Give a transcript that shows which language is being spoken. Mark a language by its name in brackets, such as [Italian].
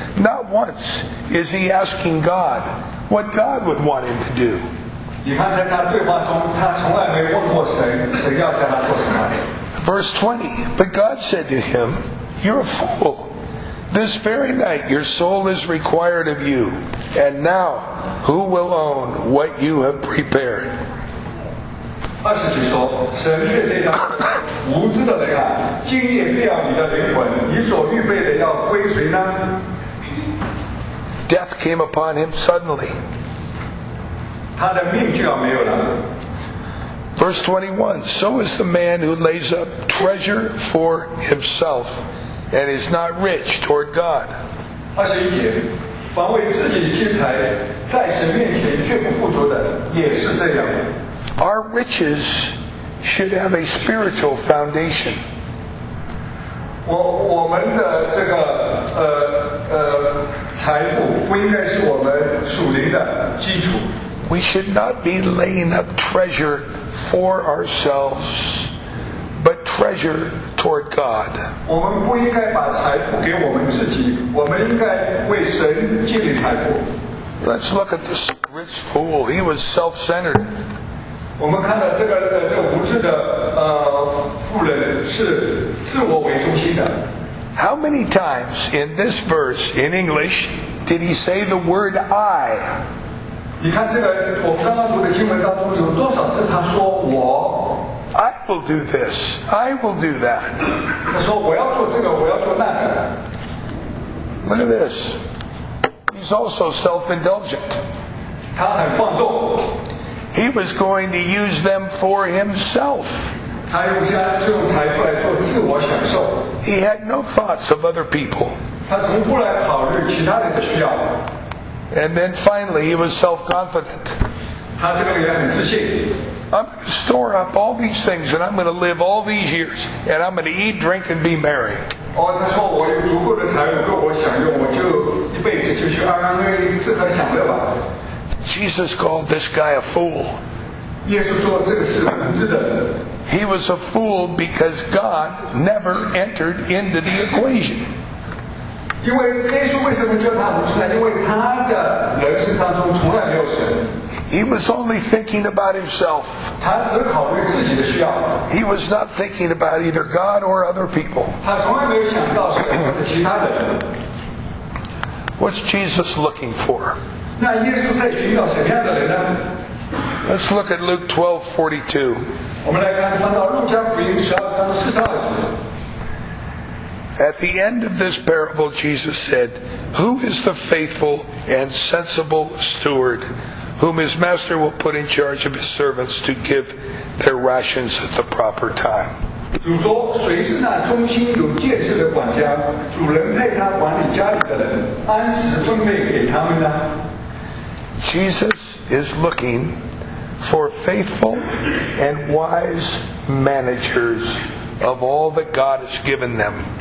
[English] Not once is he asking God what God would want him to do. [Chinese] 你看在他对话中，他从来没问过神要叫他做什么。 [English] Verse 20, but God said to him, "You're a fool. This very night your soul is required of you, and now who will own what you have prepared?" [Chinese] 二十节说，神却对他无知的人啊，今夜必要你的灵魂，你所预备的要归谁呢？ [English] Death came upon him suddenly. [Chinese] 他的命就要没有了。 [English] Verse 21, so is the man who lays up treasure for himself and is not rich toward God. [Chinese] 二十一节，凡为自己的积财在神面前却不富足的，也是这样。 [English] Our riches should have a spiritual foundation. [Chinese] 我们的这个财富不应该是我们属灵的基础。 [English] We should not be laying up treasure for ourselves, but treasure toward God. [Chinese] 我们不应该把财富给我们自己，我们应该为神建立财富。 [English] Let's look at this. rich fool. He was self-centered. [Chinese] 我们看到这个无知的妇人是自我为中心的。 [English] How many times in this verse in English did he say the word I? [Chinese] 你看这个我们刚刚读的经文当中有多少次他说我？ [English] I will do this. I will do that. [Chinese] 他说我要做这个，我要做那个。 [English] Look at this. He's also self-indulgent. [Chinese] 他很放纵。 [English] He was going to use them for himself. [Chinese] 他用这种财富来做自我享受。 [English] He had no thoughts of other people. [Chinese] 他从不来考虑其他人的需要。 [English] And then finally, he was self-confident. [Chinese] 他这个也很自信。 [English] I'm going to store up all these things and I'm going to live all these years and I'm going to eat, drink, and be merry. [Chinese] Oh, 他说我有足够的财富够我享用，我就一辈子就去安安乐乐、吃喝享乐吧。 [English] Jesus called this guy a fool. [Chinese] 耶稣说这个是无知的。 [English] He was a fool because God never entered into the equation. [Chinese] 因为耶稣为什么叫他无知呢？因为他的人生当中从来没有神。 [English] He was only thinking about himself. [Chinese] 他只考虑自己的需要。 [English] He was not thinking about either God or other people. [Chinese] 他从来没有想到是其他人。 [English] What's Jesus looking for? [Chinese] 那耶稣在寻找什么样的人呢？ [English] Let's look at Luke 12:42. [Chinese] 我们来看翻到路加福音12:42。 [English] At the end of this parable, Jesus said, "Who is the faithful and sensible steward?" Whom his master will put in charge of his servants to give their rations at the proper time. [Chinese] 主说，谁是那忠心有戒事的管家？主人派他管理家里的人，按时分配给他们呢？ [English] Jesus is looking for faithful and wise managers of all that God has given them.